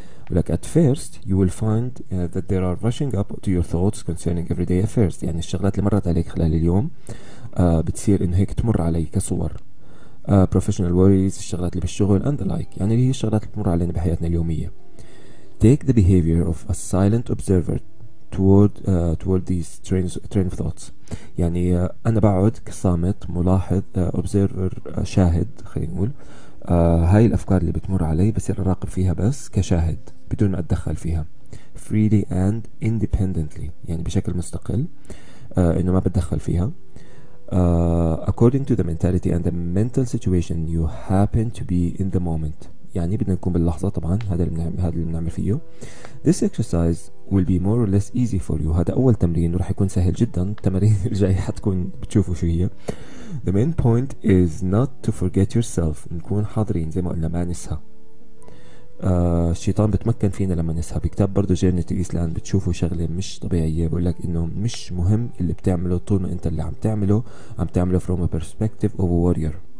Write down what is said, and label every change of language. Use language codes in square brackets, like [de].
[ar] ولك [en] at first you will find that there are rushing up to your thoughts concerning everyday affairs، [ar] يعني الشغلات اللي مرت عليك خلال اليوم بتصير إنه هيك تمر عليك كصور، [en] professional worries، [ar] الشغلات اللي بالشغل [en] and the like، [ar] يعني اللي هي الشغلات اللي تمر علينا بحياتنا اليومية. [en] take the behavior of a silent observer toward these train of thoughts. [ar] يعني أنا بقعد كصامت ملاحظ observer شاهد خلينا نقول هاي الأفكار اللي بتمر علي بصير أراقب فيها بس كشاهد بدون ما أتدخل فيها [en] freely and independently [ar] يعني بشكل مستقل إنه ما بتدخل فيها [en] according to the mentality and the mental situation you happen to be in the moment. [ar] يعني بدنا نكون باللحظة طبعا هذا اللي بنعمل فيه. [en] This exercise will be more or less easy for you. [ar] هذا أول تمرين ورح يكون سهل جدا. التمرين الجاي حتكون بتشوفوا شو هي. [en] The main point is not to forget yourself. [ar] نكون حاضرين زي ما قلنا ما نسها. الشيطان بتمكن فينا لما نسها. بكتاب برضو جيرنيت الإسلام بتشوفوا شغلة مش طبيعية. بقول لك إنه مش مهم اللي بتعمله طول ما أنت اللي عم تعمله [en] from a perspective of a warrior.